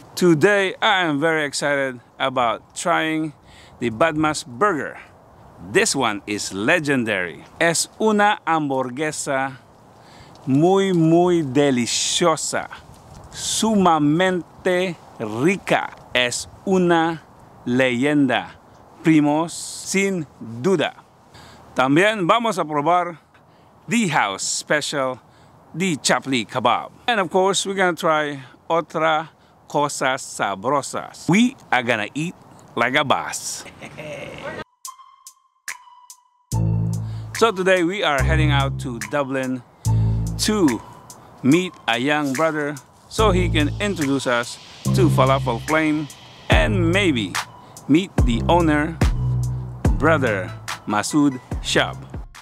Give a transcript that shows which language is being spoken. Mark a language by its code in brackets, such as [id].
[en] Today I am very excited about trying the Badmash burger. This one is legendary. [es] Es una hamburguesa muy, muy deliciosa. Sumamente rica. Es una leyenda, primos, sin duda. También vamos a probar [en] the house special, the Chapli kebab. And of course, we're gonna try [es] otra cosa sabrosa. [en] We are gonna eat like a boss. So today we are heading out to Dublin to meet a young brother so he can introduce us to Falafel Flame and maybe meet the owner, brother Masood Shab.